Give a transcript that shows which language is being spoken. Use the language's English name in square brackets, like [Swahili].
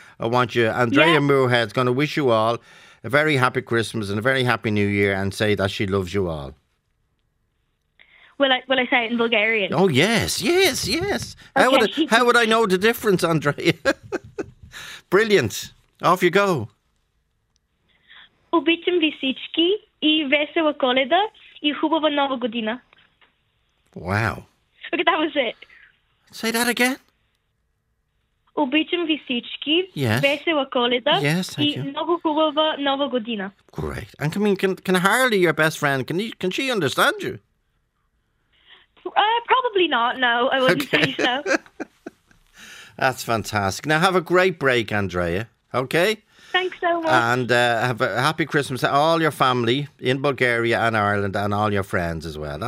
[English] I want you, Andrea Moorhead's going to wish you all a very Happy Christmas and a very Happy New Year and say that she loves you all. Will I say it in Bulgarian? Oh, yes. Okay. How would I know the difference, Andrea? Brilliant. Off you go. [Bulgarian] Обичам ви всички и весела Коледа и хубава Нова година. [English] Wow. Okay, that was it. Say that again. [Bulgarian] Обичам ви всички, весела Коледа и много хубава Нова година. [English] Great. And can Harley, your best friend, can she understand you? Probably not, no. I wouldn't say so. That's fantastic. Now have a great break, Andrea. Okay? Thanks so much. And have a happy Christmas to all your family in Bulgaria and Ireland and all your friends as well.